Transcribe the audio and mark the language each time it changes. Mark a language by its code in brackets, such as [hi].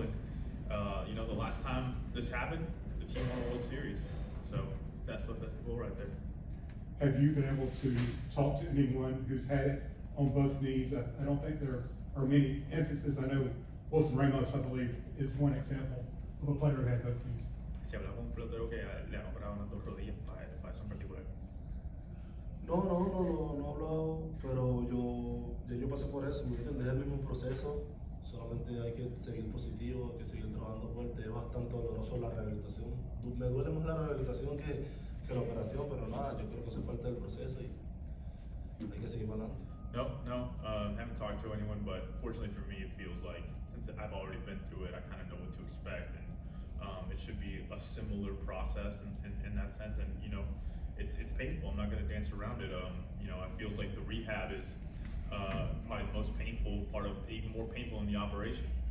[en] And, you know, the last time this happened, the team won a World Series. So that's the goal right there. Have you been able to talk to anyone who's had it on both knees? I don't think there are many instances. I know Wilson Ramos, I believe, is one example of a player who had both knees. [es] Si hablaba con un pelotero que le han operado unas dos rodillas para eso en particular. No he hablado, pero yo pasé por eso, me entiendes, es el mismo proceso, solamente hay que seguir positivo, hay que seguir trabajando fuerte, es bastante doloroso la rehabilitación. Me duele más la rehabilitación que la operación, pero nada, yo creo que eso es parte del proceso y hay que seguir adelante. [en] No, haven't talked to anyone, but fortunately for me it feels like, since I've already been through it, I kind of know what to expect. And it should be a similar process in that sense, and you know, it's painful. I'm not going to dance around it. You know, it feels like the rehab is probably the most painful part of, even more painful than the operation.